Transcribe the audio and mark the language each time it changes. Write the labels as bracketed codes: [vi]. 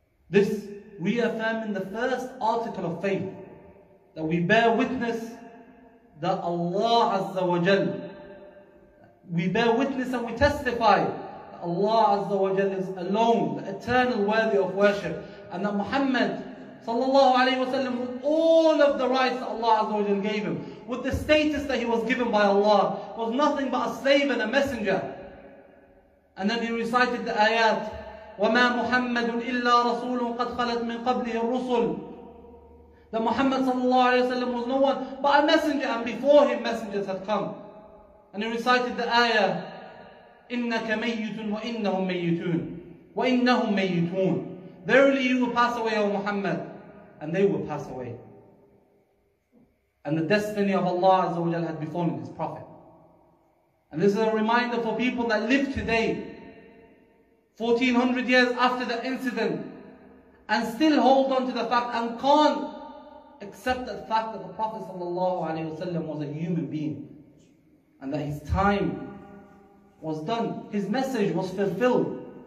[en] This reaffirming the first article of faith, that we bear witness that Allah Azza wa Jal, we bear witness and we testify that Allah Azza wa Jal is alone, the eternal worthy of worship, and that Muhammad sallallahu alayhi wasallam, with all of the rights that Allah Azza wa Jal gave him, with the status that he was given by Allah, was nothing but a slave and a messenger. [ar] And then he recited the ayat, وَمَا مُحَمَّدٌ إِلَّا رَسُولٌ قَدْ خَلَتْ مِنْ قَبْلِهِ الرُّسُلُ. [en] That Muhammad sallallahu alayhi wasallam was no one but a messenger, and before him messengers had come. [ar] And he recited the ayah, إِنَّكَ مَيِّتٌ وَإِنَّهُمْ مَيِّتُونَ وَإِنَّهُمْ مَيِّتُونَ. [en] Verily you will pass away, O Muhammad, and they will pass away. And the destiny of Allah Azza wa Jal had befallen his Prophet. And this is a reminder for people that live today, 1400 years after the incident, and still hold on to the fact and can't accept the fact that the Prophet sallallahu alayhi wasallam was a human being, and that his time was done, his message was fulfilled.